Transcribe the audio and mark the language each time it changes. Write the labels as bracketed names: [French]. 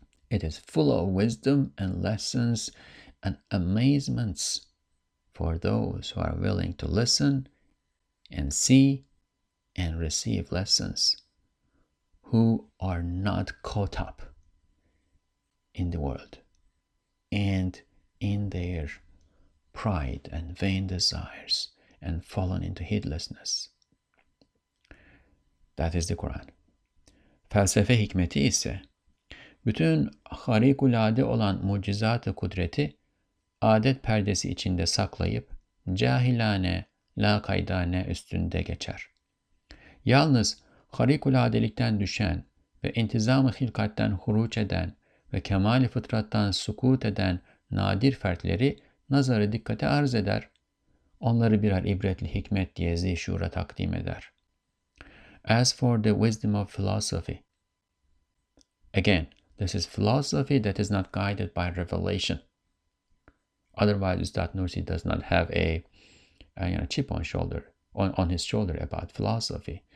[English] It is full of wisdom and lessons and amazements for those who are willing to listen and see and receive lessons, who are not caught up in the world and in their pride and vain desires and fallen into heedlessness. That is the Quran. [Turkish] Felsefe hikmeti ise bütün harikulade olan mucizat-ı kudreti adet perdesi içinde saklayıp cahilane, lakaydane üstünde geçer. Yalnız harikuladelikten düşen ve intizam-ı hilkatten huruç eden ve kemal-i fıtrattan sukut eden nadir fertleri nazarı dikkate arz eder, onları birer ibretli hikmet diye zişura takdim eder. [English] As for the wisdom of philosophy, again, this is philosophy that is not guided by revelation. Otherwise, Ustad Nursi does not have a chip on shoulder on his shoulder about philosophy.